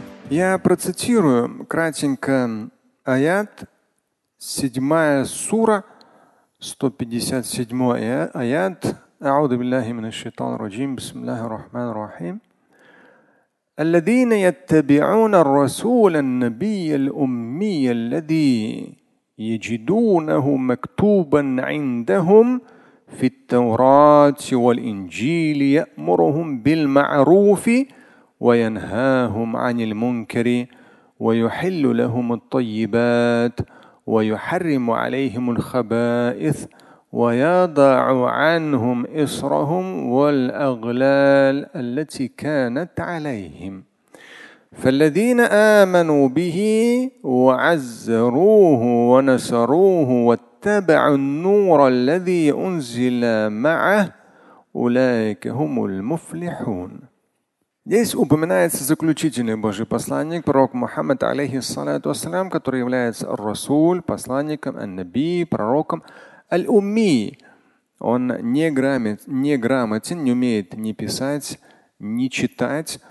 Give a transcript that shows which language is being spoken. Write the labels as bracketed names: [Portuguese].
[Russian] Я процитирую кратенько аят, 7 сура, 157 аят. [Arabic] أعوذ بالله من الشيطان الرجيم بسم الله الرحمن الرحيم الذين يتبعون الرسول النبي الأمي الذي يجدونه مكتوبا عندهم في التوراة والإنجيل يأمرهم بالمعروف وينهاهم عن المنكر ويحل لهم الطيبات ويحرم عليهم الخبائث ويضع عنهم إصرهم والأغلال التي كانت عليهم فالذين آمنوا به وعزروه ونصروه واتبعوا النور الذي أنزل معه أولئك هم المفلحون. [Russian] Здесь упоминается заключительный Божий посланник, пророк Мухаммад, алейхиссалату вассалям, который является Расуль, посланником, ан-наби, пророком. Аль-Умми, он неграмотен, не умеет ни писать, ни читать.